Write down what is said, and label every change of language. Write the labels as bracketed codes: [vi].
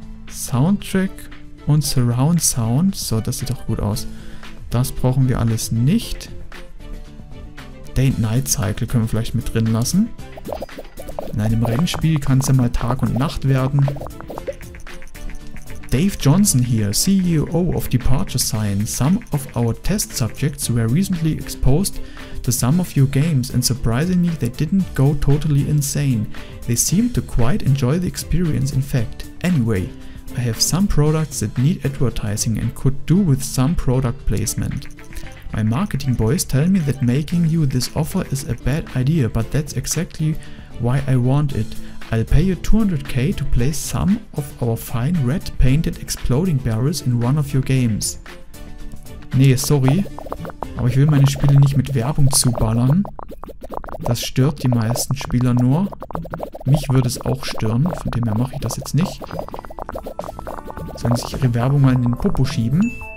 [de] Soundtrack und Surround Sound. So, das sieht doch gut aus. Das brauchen wir alles nicht. Day-Night Cycle können wir vielleicht mit drin lassen. In einem Rennspiel kann es ja mal Tag und Nacht werden. [en] Dave Johnson here, CEO of Departure Sign. Some of our test subjects were recently exposed to some of your games and surprisingly they didn't go totally insane. They seemed to quite enjoy the experience in fact. Anyway, I have some products that need advertising and could do with some product placement. My marketing boys tell me that making you this offer is a bad idea, but that's exactly why I want it. I'll pay you 200k to place some of our fine red painted exploding barrels in one of your games. [de] Nee, sorry. Aber ich will meine Spiele nicht mit Werbung zuballern. Das stört die meisten Spieler nur. Mich würde es auch stören, von dem her mache ich das jetzt nicht. Sollen sich ihre Werbung mal in den Popo schieben?